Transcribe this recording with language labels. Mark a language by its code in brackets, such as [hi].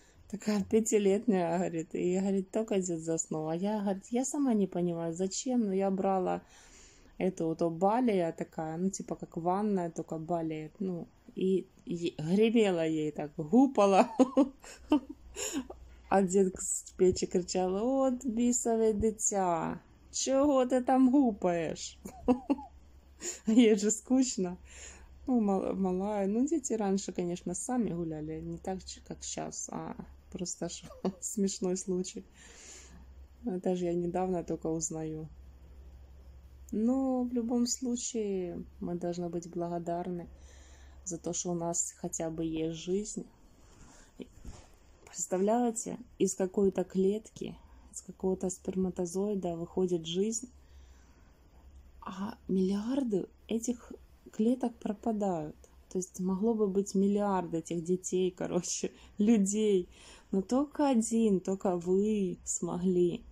[ru] Такая 5-летняя, говорит, и говорит, только дед заснул. А я, говорит, я сама не понимаю, зачем, но я брала эту вот балея такая, ну, типа как ванная, только балея, ну, и гремела ей так, гупала. А дед с печи кричал, [uk] от бісове дитя, чого ти там гупаєш? Їй же скучно. Ну, малая. Ну, діти раніше, звісно, самі гуляли, не так, як зараз, а просто ж смішний случай. Це ж я недавно тільки узнаю. Ну, в будь-якому випадку, ми повинні бути благодарні за те, що у нас хоча б є життя. [ru] Представляете, из какой-то клетки, из какого-то сперматозоида выходит жизнь, а миллиарды этих клеток пропадают. То есть могло бы быть миллиард этих детей, короче, людей, но только один, только вы смогли.